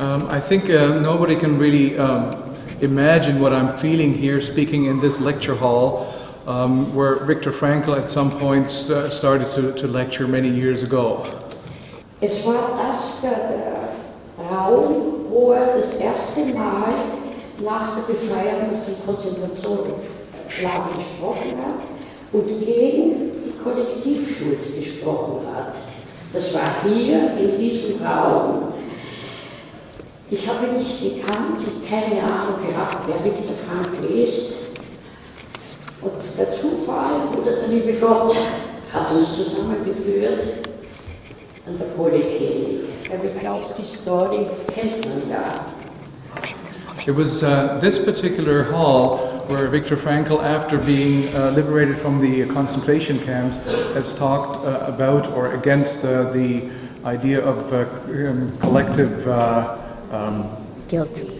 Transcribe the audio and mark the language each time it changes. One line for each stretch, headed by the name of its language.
English: I think nobody can really imagine what I'm feeling here speaking in this lecture hall where Viktor Frankl at some point started to lecture many years ago.
German: Es war das Raum, wo das erste Mal nach der Befreiung die Konzentrationslager gesprochen hat und gegen die Kollektivschuld gesprochen hat. Das war hier in diesem Raum. Ich habe ihn nicht gekannt, ich keine Ahnung gehabt, wer Viktor Frankl ist. Und der Zufall oder der liebe Gott hat uns zusammengeführt an der Poliklinik. Aber ich glaube, die Story kennt man ja.
English: It was this particular hall where Viktor Frankl, after being liberated from the concentration camps, has talked about or against the idea of collective guilt.